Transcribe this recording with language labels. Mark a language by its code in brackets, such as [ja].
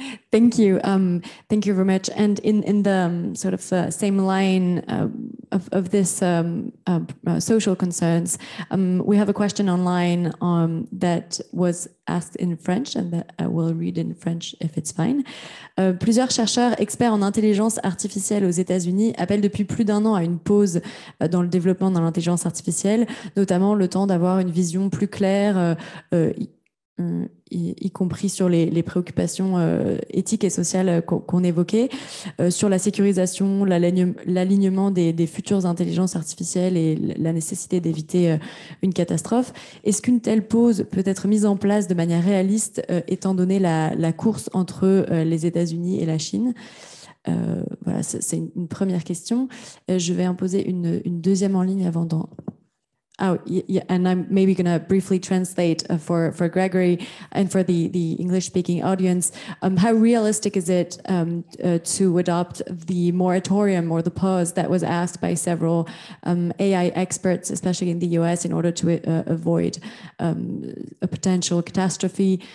[en] Thank you. Thank you very much. And in the sort of the same line of this social concerns, we have a question online that was asked in French, and that I will read in French if it's fine. [fr] Plusieurs chercheurs experts en intelligence artificielle aux États-Unis appellent depuis plus d'un an à une pause dans le développement de l'intelligence artificielle, notamment le temps d'avoir une vision plus claire. Y compris sur les préoccupations éthiques et sociales qu'on évoquait, sur la sécurisation, l'alignement des futures intelligences artificielles et la nécessité d'éviter une catastrophe. Est-ce qu'une telle pause peut être mise en place de manière réaliste, étant donné la course entre les États-Unis et la Chine? Voilà, c'est une première question. Je vais en poser une deuxième en ligne avant d'en... [en] Oh, yeah, and I'm maybe going to briefly translate for Gregory and for the English-speaking audience. How realistic is it to adopt the moratorium or the pause that was asked by several AI experts, especially in the US, in order to avoid a potential catastrophe?